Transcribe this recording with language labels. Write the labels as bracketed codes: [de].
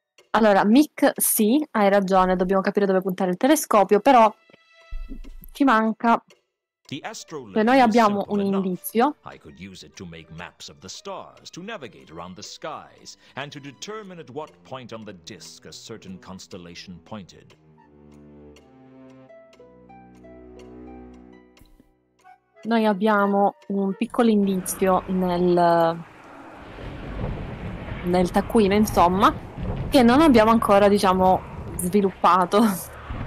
[it] Allora, Mick, sì, hai ragione, dobbiamo capire dove puntare il telescopio, però ci manca... Se noi abbiamo un indizio, [en] I could use it to make maps of the stars, to navigate around the skies, and to determine at what point on the disk a certain constellation pointed. [it] Noi abbiamo un piccolo indizio nel taccuino, insomma, che non abbiamo ancora, diciamo, sviluppato.